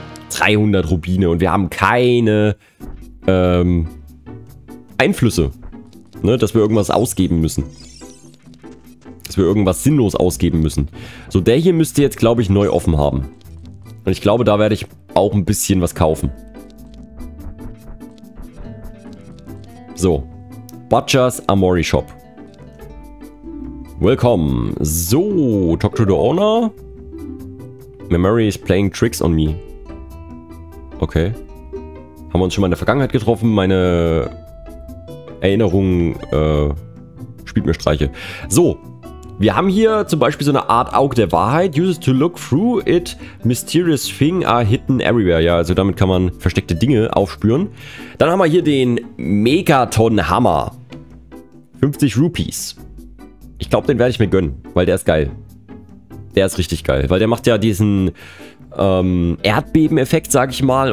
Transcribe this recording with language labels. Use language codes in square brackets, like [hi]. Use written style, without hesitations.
[de] 300 Rubine und wir haben keine Einflüsse, ne, dass wir irgendwas ausgeben müssen. Dass wir irgendwas sinnlos ausgeben müssen. So, der hier müsste jetzt, glaube ich, neu offen haben. Und ich glaube, da werde ich auch ein bisschen was kaufen. [en] So, Butcher's Armory Shop. Welcome. So, talk to the owner. Memory is playing tricks on me. Okay. [de] Haben wir uns schon mal in der Vergangenheit getroffen? Meine Erinnerung spielt mir Streiche. So, wir haben hier zum Beispiel so eine Art Auge der Wahrheit. [en] Uses to look through it. Mysterious things are hidden everywhere. [de] Ja, also damit kann man versteckte Dinge aufspüren. Dann haben wir hier den Megaton Hammer. 50 Rupees. Ich glaube, den werde ich mir gönnen, weil der ist geil. Der ist richtig geil, weil der macht ja diesen Erdbeben-Effekt, sage ich mal.